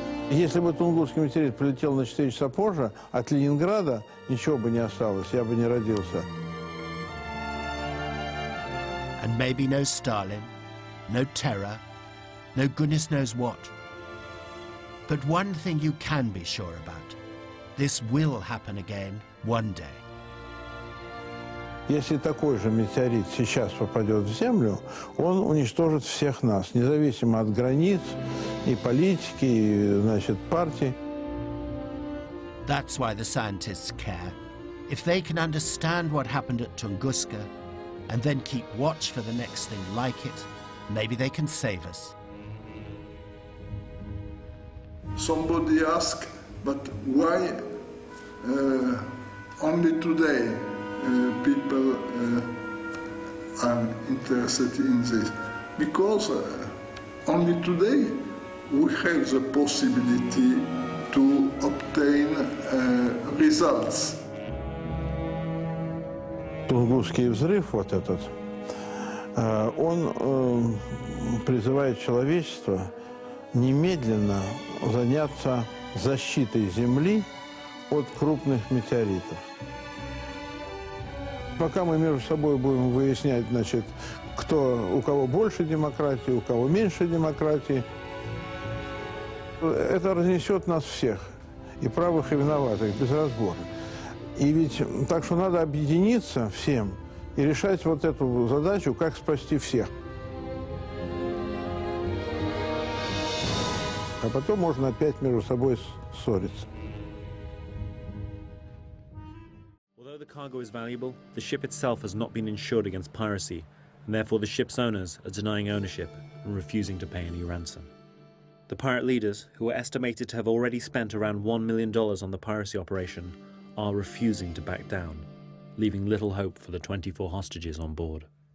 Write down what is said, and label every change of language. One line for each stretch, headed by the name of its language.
Russian: Если бы Тунгусский метеорит прилетел на 4 часа позже, от Ленинграда ничего бы не осталось, я бы не родился.
English: And maybe no Stalin, no terror, no goodness knows what. But one thing you can be sure about, this will happen again one day.
Russian: Если такой же метеорит сейчас попадет в Землю, он уничтожит всех нас, независимо от границ и политики, и, значит, партий.
English: That's why the scientists care. If they can understand what happened at Tunguska and then keep watch for the next thing like it, maybe they can save us. Somebody asked, but why only today? People are interested in this because only today we have the possibility to obtain results.
Russian: Тунгусский взрыв вот этот, он призывает человечество немедленно заняться защитой Земли от крупных метеоритов. Пока мы между собой будем выяснять, значит, кто, у кого больше демократии, у кого меньше демократии, Это разнесет нас всех, и правых, и виноватых, без разбора. И ведь так что надо объединиться всем и решать вот эту задачу, как спасти всех. А потом можно опять между собой ссориться.
English: Although the cargo is valuable, the ship itself has not been insured against piracy, and therefore the ship's owners are denying ownership and refusing to pay any ransom. The pirate leaders, who are estimated to have already spent around $1 million on the piracy operation, are refusing to back down, leaving little hope for the 24 hostages on board.